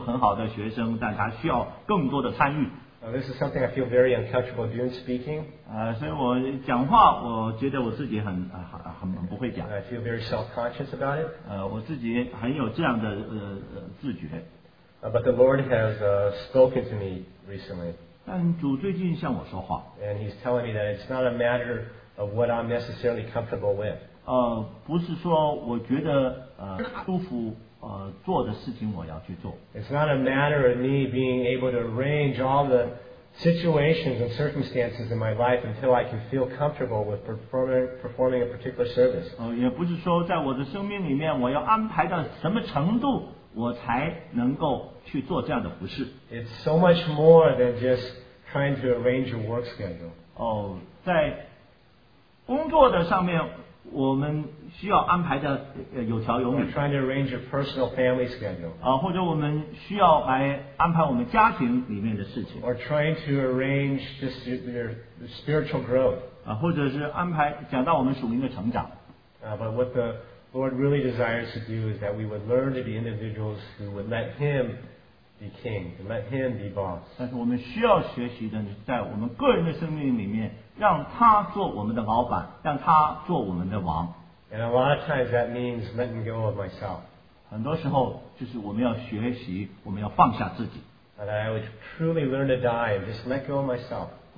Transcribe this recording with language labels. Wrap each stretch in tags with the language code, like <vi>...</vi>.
<zh>我这个报成绩边就是说，Eddie是一个很好的学生，但他需要更多的参与。</zh> <en>This is something I feel very uncomfortable doing speaking.</en> <zh>所以我讲话，我觉得我自己很不会讲。</zh> <en>I feel very self-conscious about it.</en> <zh>我自己很有这样的自觉。</zh> <en>But the Lord has spoken to me recently.</en> <zh>但主最近向我说话。</zh> <en>And He's telling me that it's not a matter of what I'm necessarily comfortable with.</en> <zh>不是说我觉得舒服。做的事情我要去做。</zh> <en>It's not a matter of me being able to arrange all the situations and circumstances in my life until I can feel comfortable with performing a particular service.</en> <zh>也不是说在我的生命里面我要安排到什么程度我才能够去做这样的服事。</zh> <en>It's so much more than just trying to arrange your work schedule.</en> <zh>在工作的上面我们需要安排的有条有理。</zh> <en>We're trying to arrange your personal family schedule.</en> <zh>或者我们需要来安排我们家庭里面的事情。</zh> <en>Or trying to arrange just your spiritual growth.</en> <zh>或者是安排讲到我们属灵的成长。</zh> <en>But what the Lord really desires to do is that we would learn to be individuals who would let Him be king, to let Him be boss.</en> <zh>但是我们需要学习的，在我们个人的生命里面。让他做我们的老板，让他做我们的王。</zh> <en>And a lot of times that means letting go of myself.</en> <zh>很多时候就是我们要学习，我们要放下自己。</zh> <en>And I would truly learn to die and just let go of myself.</en>